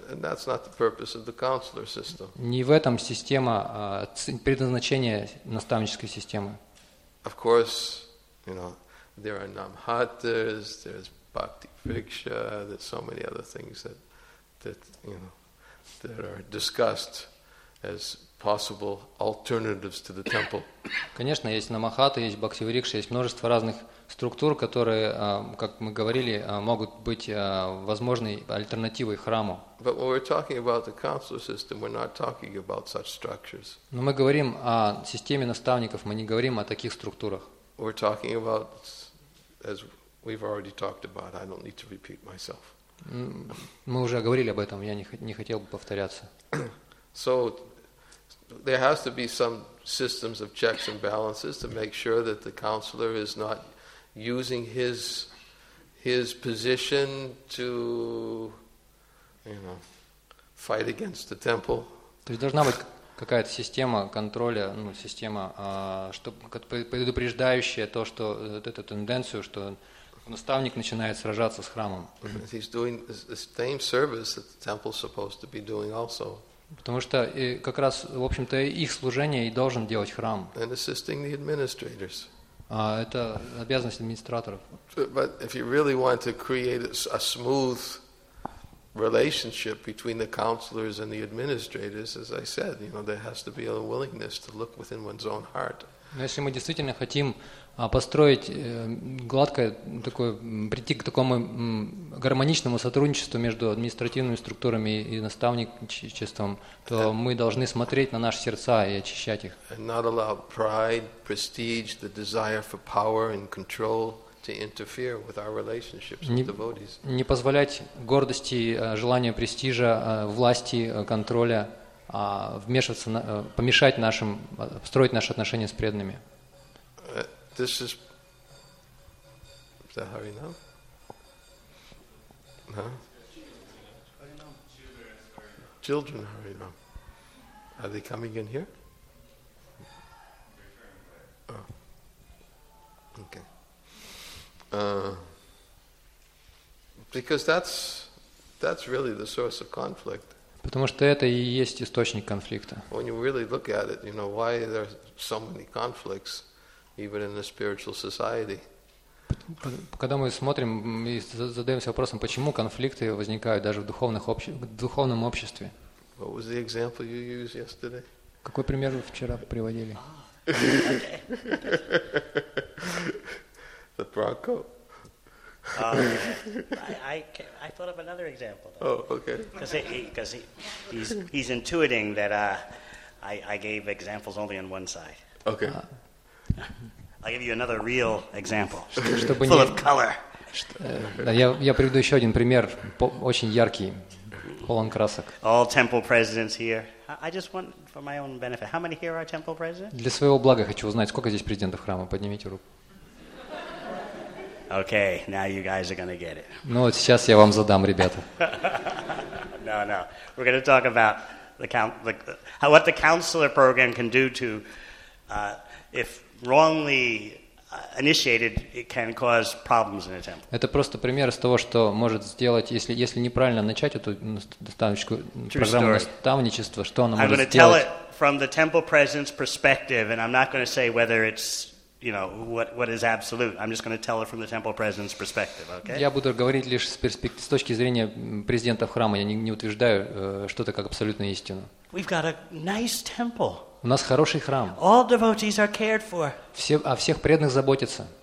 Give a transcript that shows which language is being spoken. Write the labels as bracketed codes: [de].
[en] And that's not the purpose of the counselor system. [ru] Не в этом система предназначение наставнической системы. [en] Of course, you know, there are namhatas, there's bhakti viksha, there's so many other things that are discussed as possible alternatives to the temple. [ru] Конечно, есть намахаты, есть бхакти врикша, есть множество разных структур, которые, как мы говорили, могут быть возможной альтернативой храму. [en] But when we're talking about the counselor system, we're not talking about such structures. [ru] Но мы говорим о системе наставников, мы не говорим о таких структурах. [en] We're talking about as we've already talked about. I don't need to repeat myself. [ru] Мы уже говорили об этом. Я не хотел бы повторяться. [en] So there has to be some systems of checks and balances to make sure that the counselor is not using his position to, fight against the temple. [ru] То есть должна быть какая-то система контроля, ну, система, предупреждающая то, что эту тенденцию, что наставник начинает сражаться с храмом. [en] He's doing the same service that the temple's supposed to be doing also. [ru] Потому что как раз, в общем-то, их служение и должен делать храм. [en] And assisting the administrators. [ru] Это обязанность администраторов. [en] But if you really want to create a smooth relationship between the counselors and the administrators, as I said, you know, there has to be a willingness to look within one's own heart. [ru] Но если мы действительно хотим построить гладкое такое, прийти к такому гармоничному сотрудничеству между административными структурами и наставничеством, то мы должны смотреть на наши сердца и очищать их. [en] And not allow pride, prestige, the desire for power and control to interfere with our relationships with devotees. [ru] Не позволять гордости, желанию престижа, власти, контроля вмешиваться, помешать нашим, строить наши отношения с преданными. [en] This is that Харинам? Children Харинам. Are they coming in here? Because that's really the source of conflict. [ru] Потому что это и есть источник конфликта. [en] When you really look at it, you know why there are so many conflicts, even in a spiritual society. [ru] Когда мы смотрим и задаемся вопросом, почему конфликты возникают даже в духовном обществе. [en] What was the example you used yesterday? [ru] Какой пример вы вчера приводили? [en] The Bronco. I thought of another example. Though. Oh, okay. Because he's intuiting that I gave examples only on one side. Okay. I'll give you another real example, full of color. [ru] Я приведу еще один пример, очень яркий, полон красок. [en] All temple presidents here. I just want for my own benefit. How many here are temple presidents? [ru] Для своего блага хочу узнать, сколько здесь президентов храма. Поднимите руку. [en] Okay, now you guys are going to get it. [ru] Ну вот сейчас я вам задам, ребята. [en] No, no. We're going to talk about what the counselor program can do to if wrongly initiated, it can cause problems in a temple. [ru] Это просто пример из того, что может сделать, если неправильно начать эту программу наставничества, что она может сделать. [en] I'm going to tell it from the temple president's perspective, and I'm not going to say whether it's, you know, what is absolute. I'm just going to tell it from the temple president's perspective. Okay. [ru] Я буду говорить лишь с точки зрения президента храма. Я не утверждаю что-то как абсолютную истину. [en] We've got a nice temple. [ru] У нас хороший храм. [en] All devotees are cared for. [ru] Все, о всех преданных заботятся.